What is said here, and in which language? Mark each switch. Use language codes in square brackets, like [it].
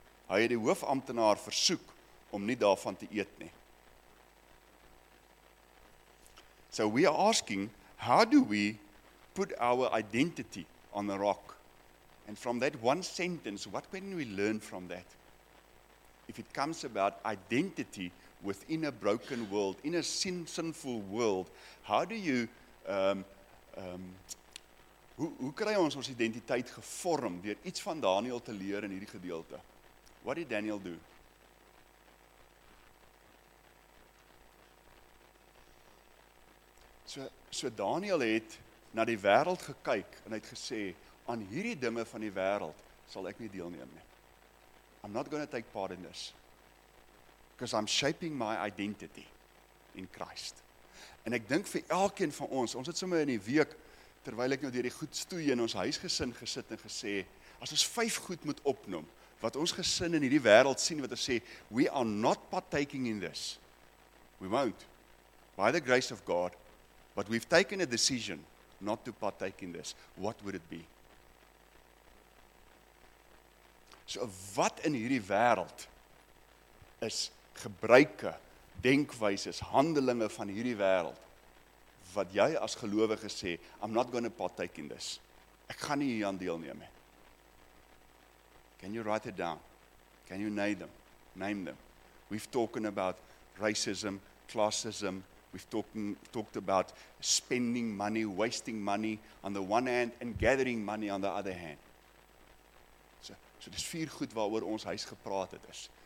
[af] Hy het die hoofambtenaar versoek om nie daarvan te eet nie. [en] So we are asking, how do we put our identity on a rock? And from that one sentence, what can we learn from that? If it comes about identity within a broken world, in a sinful world, how do you, [af] hoe kry ons identiteit gevorm deur iets van Daniël te leer in hierdie gedeelte? [en] What did Daniel do? [af] So Daniel het na die wêreld gekyk en het gesê, aan hierdie dinge van die wêreld sal ek nie deelneem nie. [en] I'm not going to take part in this. Because I'm shaping my identity in Christ. [af] En ek dink vir elkeen van ons, ons het sommer in die week, terwyl ek nou deur die goed stoei in ons huisgesin gesit en gesê, as ons 5 goed moet opnoem, wat ons gesin in hierdie wêreld sien, wat ons sê, [en] we are not partaking in this. We won't. By the grace of God, but we've taken a decision not to partake in this. What would it be? [af] So wat in hierdie wêreld is gebruike, denkwyses, handelinge van hierdie wêreld, wat jy as gelowige sê, [en] I'm not going to partake in this. [af] Ek gaan nie hieraan deelneem nie. [en] Can you write it down? Can you name them? Name them. We've talking about racism, classism. We've talked about spending money, wasting money on the one hand and gathering money on the other hand. [af] So dis 4 goed waaroor ons huis gepraat het is.